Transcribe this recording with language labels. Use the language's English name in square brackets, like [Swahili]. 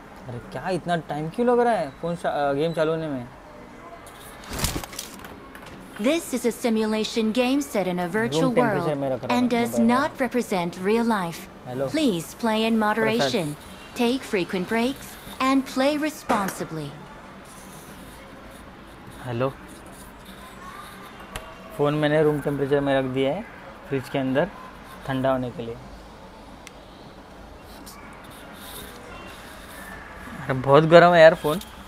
[Hindi] अरे क्या इतना टाइम क्यों लग रहा है फोन गेम चालू होने में. [English] This is a simulation game set in a virtual world and does not represent real life. Hello. Please play in moderation. Perfect. Take frequent breaks and play responsibly. Hello. [Hindi] Phone मैंने room temperature में रख दिया है fridge के अंदर ठंडा होने के लिए. बहुत गर्म है यार फोन.